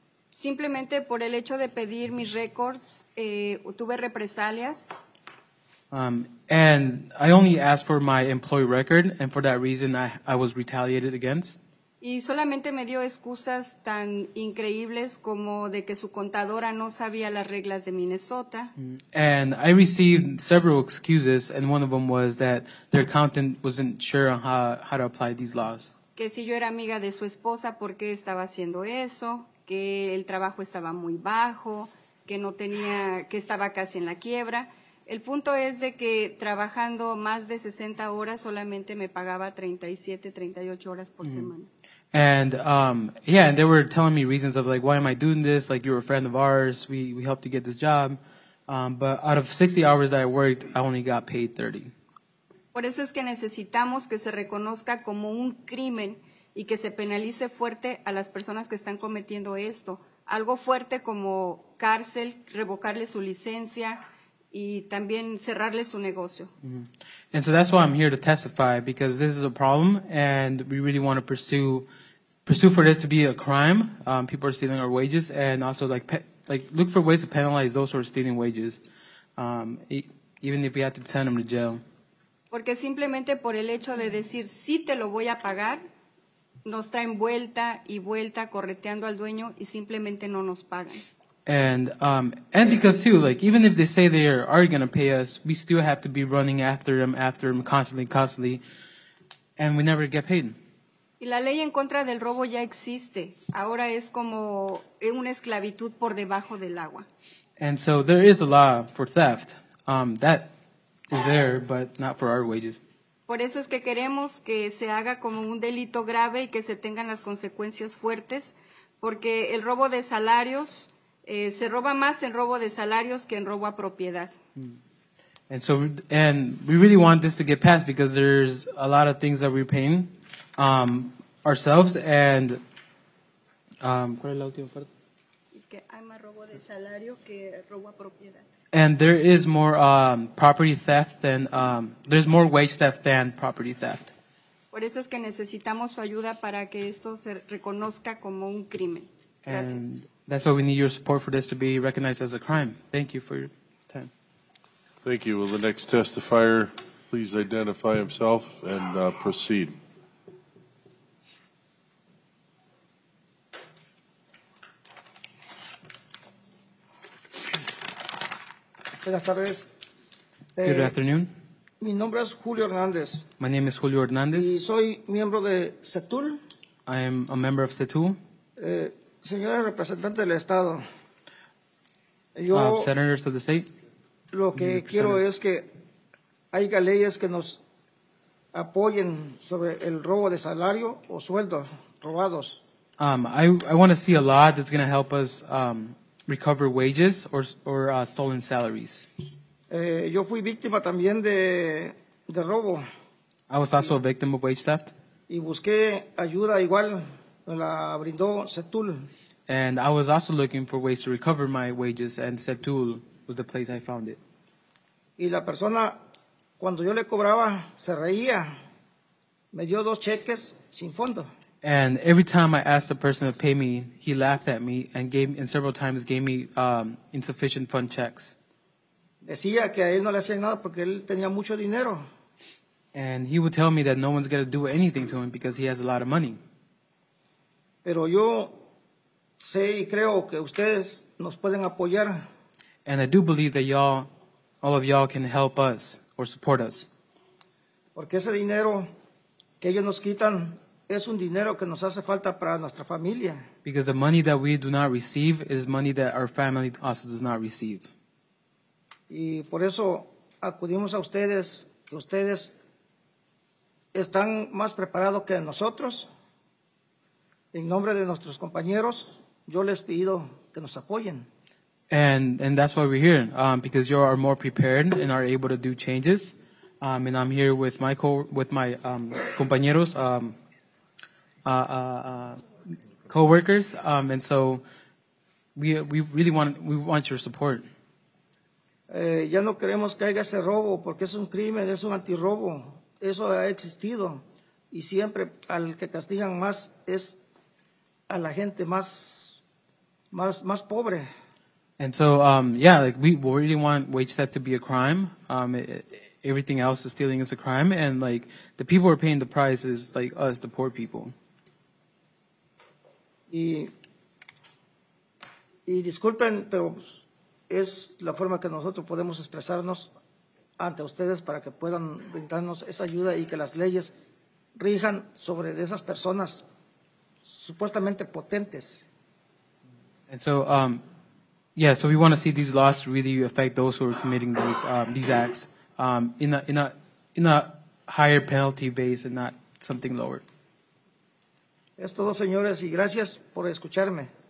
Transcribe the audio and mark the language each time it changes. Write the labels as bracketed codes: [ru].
[es] Simplemente por el hecho de pedir mis récords, tuve represalias. [en] And I only asked for my employee record and for that reason I was retaliated against. [es] Y solamente me dio excusas tan increíbles como de que su contadora no sabía las reglas de Minnesota. [en] And I received several excuses, and one of them was that their accountant wasn't sure on how to apply these laws. [es] Que si yo era amiga de su esposa, ¿por qué estaba haciendo eso? Que el trabajo estaba muy bajo, que no tenía, que estaba casi en la quiebra. El punto es de que trabajando más de 60 horas solamente me pagaba 37, 38 horas por semana. [en] And they were telling me reasons of like, why am I doing this? Like, you're a friend of ours. We helped you get this job. But out of 60 hours that I worked, I only got paid 30. [es] Por eso es que necesitamos que se reconozca como un crimen y que se penalice fuerte a las personas que están cometiendo esto. Algo fuerte como cárcel, revocarle su licencia y también cerrarle su negocio. [en] And so that's why I'm here to testify, because this is a problem and we really want to pursue for it to be a crime. People are stealing our wages, and also like look for ways to penalize those who are stealing wages, even if we have to send them to jail. [es] Porque simplemente por el hecho de decir sí te lo voy a pagar, Nos traen vuelta y vuelta correteando al dueño y simplemente no nos pagan. [en] And because too, like, even if they say they are going to pay us, we still have to be running after them constantly, and we never get paid. [es] Y la ley en contra del robo ya existe. Ahora es como una esclavitud por debajo del agua. [en] And so there is a law for theft. That is there, but not for our wages. [es] Por eso es que queremos que se haga como un delito grave y que se tengan las consecuencias fuertes, porque el robo de salarios, se roba más en robo de salarios que en robo a propiedad. [en] And we really want this to get passed because there's a lot of things that we're paying ourselves and... [es] ¿cuál es la última parte? Que hay más robo de salario que robo a propiedad. [en] And there is more property theft than there's more wage theft than property theft. [es] Por eso es que necesitamos su ayuda para que esto se reconozca como un crimen. Gracias. [en] And that's why we need your support for this to be recognized as a crime. Thank you for your time. Thank you. Will the next testifier please identify himself and proceed? [es] Buenas tardes. [en] Good afternoon. [es] Mi nombre es Julio Hernández. [en] My name is Julio Hernández. [es] Y soy miembro de CETUL. [en] I am a member of CETUL. [es] Señora representante del Estado. [en] Yo, senators of the state. [es] Lo que quiero es que haya leyes que nos apoyen sobre el robo de salario o sueldo robados. [en] I want to see a law that's going to help us recover wages or stolen salaries. [es] Yo fui víctima también de robo. [en] I was also a victim of wage theft. [es] Y busqué ayuda igual, me la brindó CETUL. [en] And I was also looking for ways to recover my wages, and CETUL was the place I found it. [es] Y la persona, cuando yo le cobraba, se reía. Me dio dos cheques sin fondo. [en] And every time I asked the person to pay me, he laughed at me and gave me insufficient fund checks. [es] Decía que a él no le hacía nada porque él tenía mucho dinero. [en] And he would tell me that no one's going to do anything to him because he has a lot of money. [es] Pero yo sé y creo que ustedes nos pueden apoyar. [en] And I do believe that y'all, all of y'all can help us or support us. [es] Porque ese dinero que ellos nos quitan es un dinero que nos hace falta para nuestra familia. [en] Because the money that we do not receive is money that our family also does not receive. [es] Y por eso acudimos a ustedes, que ustedes están más preparados que nosotros. En nombre de nuestros compañeros, yo les pido que nos apoyen. [en] And that's why we're here, because you are more prepared and are able to do changes. And I'm here with my compañeros, co-workers, and so we really want your support. [es] Ya no queremos que haya ese robo porque es un crimen, es un antirrobo. Eso ha existido y siempre al que castigan más es a la gente más pobre. [en] And so we really want wage theft to be a crime. Everything else is stealing is a crime, and like the people who are paying the price is like us, the poor people. [es] Y disculpen, pero es la forma que nosotros podemos expresarnos ante ustedes para que puedan brindarnos esa ayuda y que las leyes rijan sobre esas personas supuestamente potentes. [en] And so, so we want to see these laws really affect those who are committing these acts in a higher penalty base and not something lower. [es] Es todo, señores, y gracias por escucharme.